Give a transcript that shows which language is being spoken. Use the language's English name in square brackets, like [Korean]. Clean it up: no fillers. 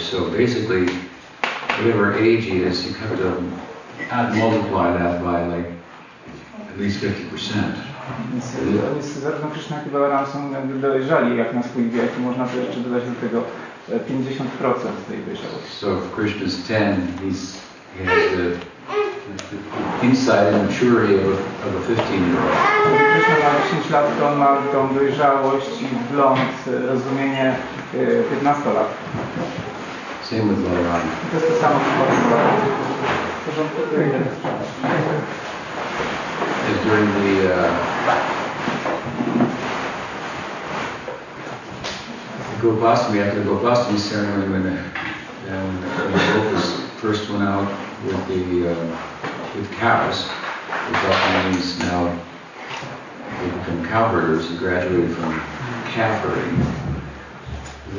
[English] So basically, whatever age he is, you have to multiply that by like at least 50%. [Polish] Więc zarówno Krishna, jak i Balaram są jakby dojrzali, jak na swój wiek, można by jeszcze dodać do tego 50% tej dojrzałości. [English] So if Krishna's 10, he has the inside maturity of a 15-year-old. [Polish] Jeśli Krishna ma 10 lat, to on ma tą dojrzałość i wgląd, rozumienie 15 lat. [English] Same with Balaram. [Polish] To jest to samo z Balaram. [English] And during the Gopastami, after the Gopastami ceremony, when the Gopas first went out with the cows, the Gopamis now they become cowherders and graduated from calf herding.